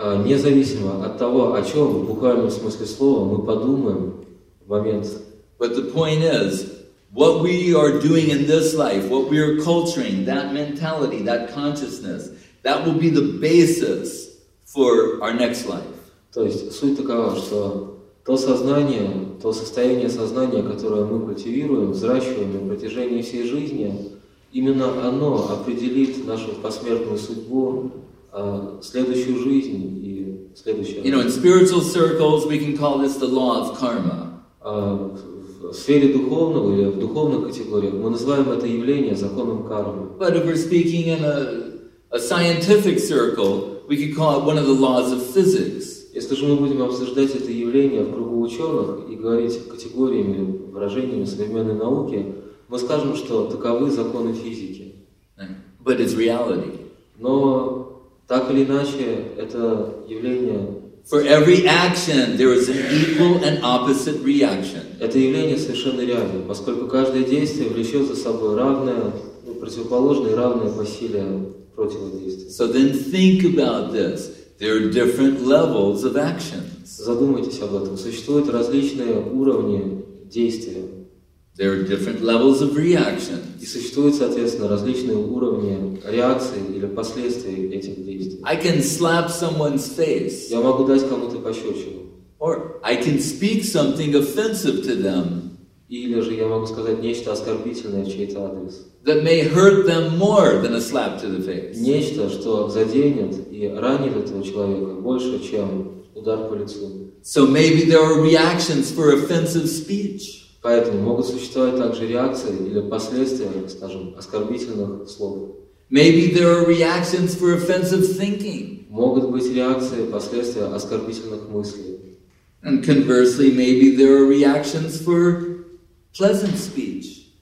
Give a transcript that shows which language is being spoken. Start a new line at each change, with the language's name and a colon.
Russian: Независимо от того, о чем в буквальном смысле слова мы подумаем в момент.
English: But the point is, what we are doing in this life, what we are culturing, that mentality, that consciousness, that will be the basis for our next life.
Russian: То есть суть такова, что то сознание, то состояние сознания, которое мы культивируем, взращиваем на протяжении всей жизни, именно оно определит нашу посмертную судьбу, следующую жизнь и следующее.
English: You know, in spiritual circles we can call this the law of karma.
Russian: В сфере духовного или в духовных категориях мы называем это явление законом кармы.
English: But if we're speaking in a scientific circle, we could call it one of the laws of physics.
Russian: Если же мы будем обсуждать это явление в кругу ученых и говорить категориями, выражениями современной науки, мы скажем, что таковы законы физики.
English: But it's reality.
Russian: Но так или иначе, это явление.
English: For every action, there is an equal and opposite reaction.
Russian: Это явление совершенно реально, поскольку каждое действие влечет за собой равное, ну, противоположное и равное по силе противодействия.
English: So then think about this. There are different levels of actions.
Russian: Задумайтесь об этом. Существуют различные уровни действия.
English: There are different levels of reaction.
Russian: И существуют, соответственно, различные уровни реакции или последствий этих действий.
English: I can slap someone's face.
Russian: Я могу дать кому-то пощечину.
English: Or I can speak something offensive to them.
Russian: Или же я могу сказать нечто оскорбительное в чей-то адрес.
English: That may hurt them more than a slap to the face.
Russian: Нечто, что заденет и ранит этого человека больше, чем удар по лицу.
English: So maybe there are reactions for offensive speech.
Russian: Поэтому могут существовать также реакции или последствия, скажем, оскорбительных слов.
English: Maybe there are reactions for offensive thinking.
Russian: Могут быть реакции, последствия оскорбительных мыслей.
English: And conversely, maybe there are reactions for pleasant speech.